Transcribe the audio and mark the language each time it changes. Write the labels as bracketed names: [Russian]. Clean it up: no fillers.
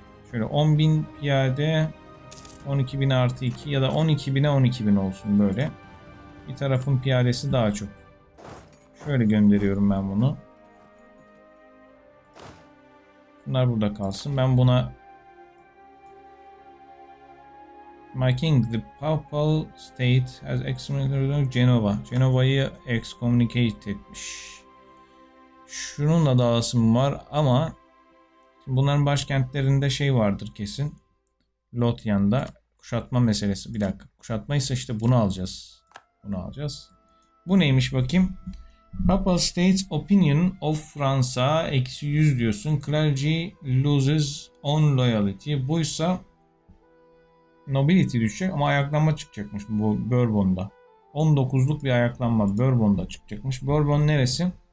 [Turkish] Şöyle 10.000 piyade 12.000 artı 2 ya da 12.000'e 12.000 olsun böyle. Bir tarafın piyadesi daha çok. Şöyle gönderiyorum ben bunu. Bunlar burada kalsın. [English] Ben buna My King, the Papal State has excommunicated Genova. [Turkish] Genova'yı excommunicate etmiş. Şununla da alasım var ama bunların başkentlerinde şey vardır kesin. Lothian'da kuşatma meselesi. Bir dakika. Kuşatmaysa işte bunu alacağız. Bunu alacağız. Bu neymiş bakayım? Papal State's opinion of France -100 diyorsun. [English] Clergy loses on loyalty. [Turkish] Buysa nobility düşecek ama ayaklanma çıkacakmış bu Bourbon'da. 19'luk bir ayaklanma Bourbon'da çıkacakmış. Bourbon neresi?